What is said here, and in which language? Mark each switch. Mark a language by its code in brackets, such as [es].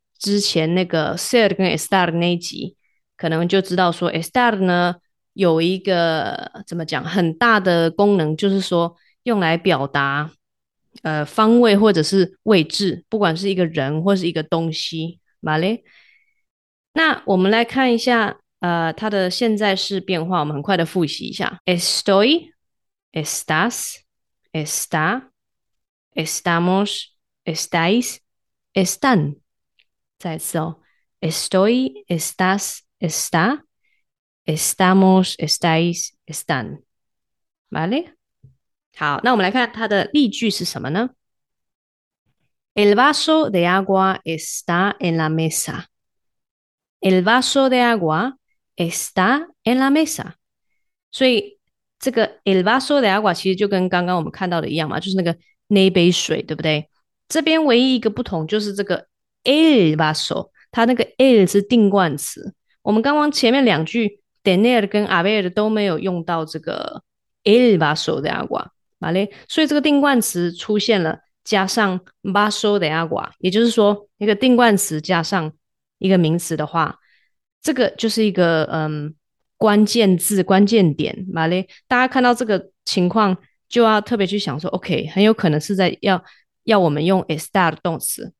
[zh] 之前那个 ser 跟 estar 那一集，可能就知道说 estar 呢有一个怎么讲很大的功能，就是说用来表达方位或者是位置，不管是一个人或是一个东西，vale？那我们来看一下它的现在式变化，我们很快的复习一下： [es] estoy、estás、está、estamos、estáis、están。 [zh] 再一次哦， [es] estoy, estás, está, estamos, estáis, están, ¿vale? [zh] 好，那我们来看它的例句是什么呢？ [es] El vaso de agua está en la mesa. El vaso de agua está en la mesa. [zh] 所以这个 [es] el vaso de agua [zh] 其实就跟刚刚我们看到的一样嘛，就是那杯水，对不对？这边唯一一个不同就是这个。El vaso，它那个 el 是定冠词。我们刚刚前面两句 tener 跟 haber 都没有用到这个 [es] el vaso de agua， [zh] vale？所以这个定冠词出现了，加上 vaso de agua，也就是说一个定冠词加上一个名词的话，这个就是一个关键字关键点，vale？大家看到这个情况就要特别去想说，OK，很有可能是在要我们用 estar 动词。